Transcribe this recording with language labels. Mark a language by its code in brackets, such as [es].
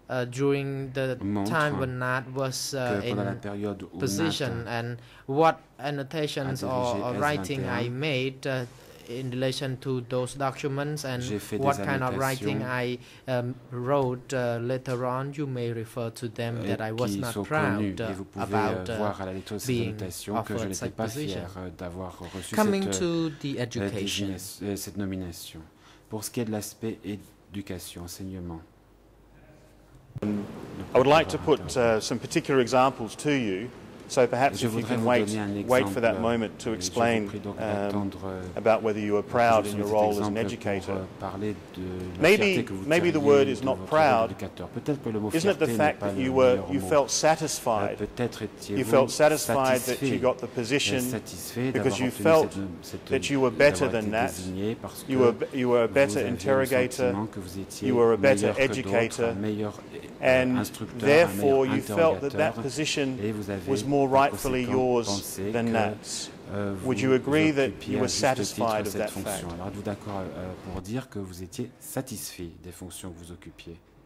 [en] during the time when NAD was in position, and what annotations or writing I made in relation to those documents and what kind of writing I wrote later on, you may refer to them that I was not proud about being offered such position. Coming to the education. [fr] Cette nomination. Pour ce qui est de l'aspect éducation, enseignement. [en] I would like to put some particular examples to you. So perhaps if you can wait for that moment to explain about whether you are proud in your role as an educator. Maybe the word is not proud. Isn't it the fact that you felt satisfied? You felt satisfied that you got the position because you felt that you were better than that. You were a better interrogator. You were a better educator. And therefore, you felt that that position was more rightfully yours than Nat's. Would you agree that you were satisfied of that fact? [fr] Êtes-vous d'accord pour dire que vous étiez satisfait des fonctions que vous occupiez?